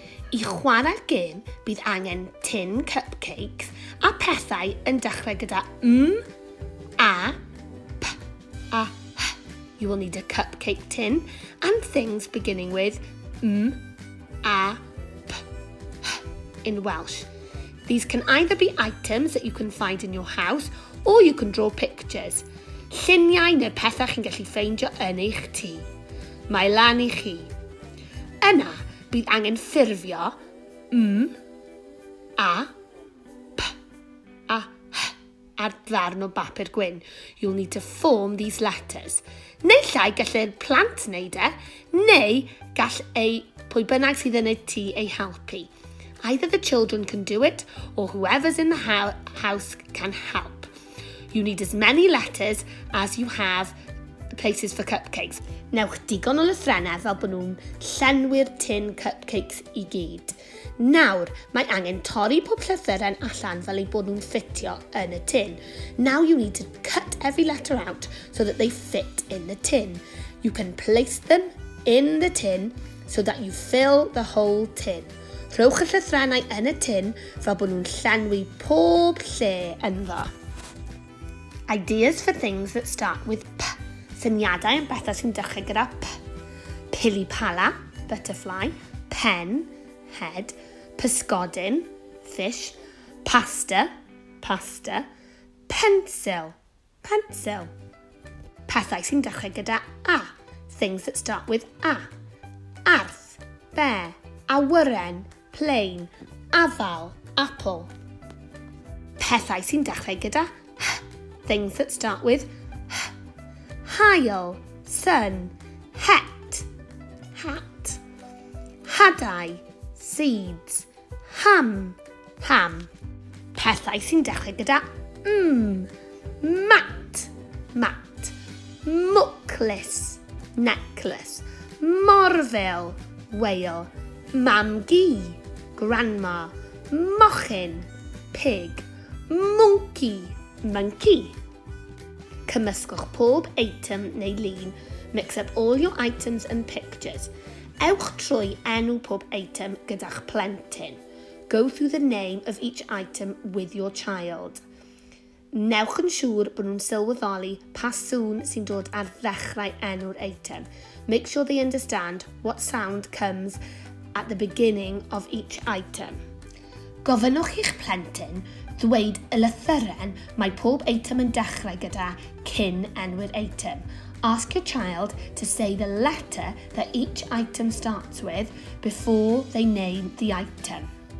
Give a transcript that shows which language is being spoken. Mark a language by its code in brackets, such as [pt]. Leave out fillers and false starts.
[cy] I chwarae'r gêm bydd angen tin cupcakes a pethau yn dechrau gyda M, A, P, A, H. [en] You will need a cupcake tin and things beginning with M, A, P, H in Welsh. These can either be items that you can find in your house or you can draw pictures. [cy] Lluniau neu pethau chi'n gallu ffeindio yn eich tŷ. Mae lan I chi. Yna, bydd angen ffurfio M, A, P, A, H ar ddarn o bapur gwyn. [en] You'll need to form these letters. [cy] Neu llai gallu'r plant wneud e, neu gall ei pwy bynnag sydd yn y tŷ ei helpu. [en] Either the children can do it, or whoever's in the house can help. You need as many letters as you have places for cupcakes. [cy] Newch digon o lythrennau fel bod nhw'n llenwi'r tin cupcakes I gyd. Nawr, mae angen torri pob llythyren allan fel eu bod nhw'n ffitio yn y tin. [en] Now you need to cut every letter out so that they fit in the tin. You can place them in the tin so that you fill the whole tin. [cy] Rhowch y llythrennau yn y tin fel bod nhw'n llenwi pob lle ynddo. [en] Ideas for things that start with P. [cy] Syniadau am bethau sy'n dechrau gyda P. Pili pala, butterfly. Pen, head. Pysgodin, fish. Pasta, pasta. Pencil, pencil. Pethau sy'n dechrau gyda A. [en] Things that start with A. [cy] Arth, bear. Awyren, plain. Afal, apple. Pethau sy'n dechrau gyda H. [en] Things that start with H. [cy] Hail, sun. Het, hat. Hadau, seeds. Ham, ham. Pethau sy'n dechrau gyda M. Mat, mat. Mwclis, necklace. Morfil, whale. Mamgu, grandma. Mochyn, pig. Monkey, monkey. Cymysgwch pob eitem neu lun. [en] Mix up all your items and pictures. [cy] Ewch trwy enw pob eitem gyda'ch plentyn. [en] Go through the name of each item with your child. [cy] Newch yn siŵr bod nhw'n sylweddoli pa sŵn sy'n dod ar ddechrau enw'r eitem. [en] Make sure they understand what sound comes at the beginning of each item. [cy] Gofynnwch i'ch plentyn ddweud y llythyren mae pob eitem yn dechrau gyda cyn enw'r eitem. [en] Ask your child to say the letter that each item starts with before they name the item.